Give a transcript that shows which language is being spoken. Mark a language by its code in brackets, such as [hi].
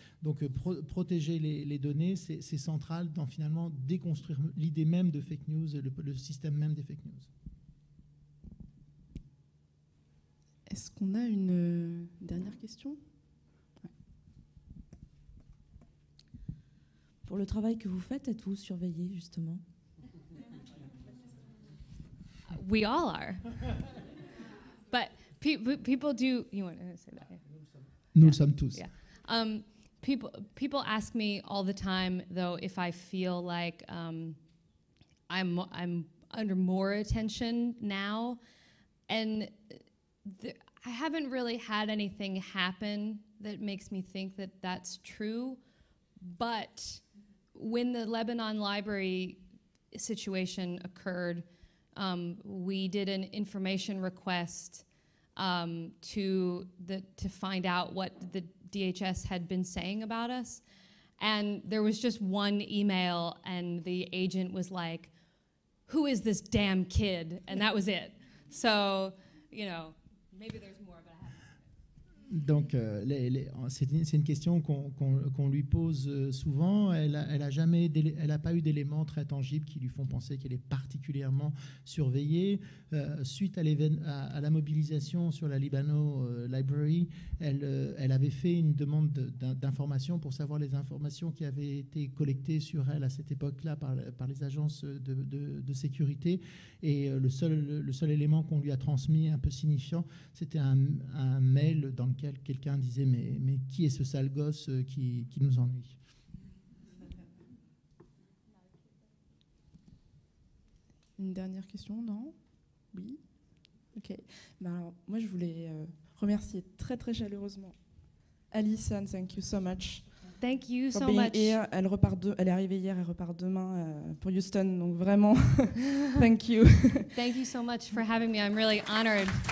[fr] Donc protéger les données, c'est central dans finalement déconstruire l'idée même de fake news, le système même des fake news. Est-ce qu'on a une dernière question ? Pour le travail que vous faites, êtes-vous surveillé, justement? [en] We all are. But people do... You want to say that? [fr] Nous le sommes tous. [en] Yeah. Um, People ask me all the time, though, if I feel like I'm under more attention now, and I haven't really had anything happen that makes me think that that's true. But when the Lebanon Library situation occurred, we did an information request to find out what the DHS had been saying about us. And there was just one email, and the agent was like, "Who is this damn kid?" And that was it. So, you know, maybe there's more. [fr] Donc, c'est une question qu'on lui pose souvent. Elle a pas eu d'éléments très tangibles qui lui font penser qu'elle est particulièrement surveillée. Suite à la mobilisation sur la Libano Library, elle avait fait une demande d'information pour savoir les informations qui avaient été collectées sur elle à cette époque-là par les agences de sécurité. Et le seul élément qu'on lui a transmis, un peu signifiant, c'était un mail dans lequel quelqu'un disait mais qui est ce sale gosse qui nous ennuie. Une dernière question, non? Oui. Ok. Ben alors, moi je voulais remercier très très chaleureusement Alison. [en] Thank you so much. Thank you so much. Here. [fr] Elle est arrivée hier, elle repart demain pour Houston. Donc vraiment, [en] thank you. Thank you so much for having me. I'm really honored.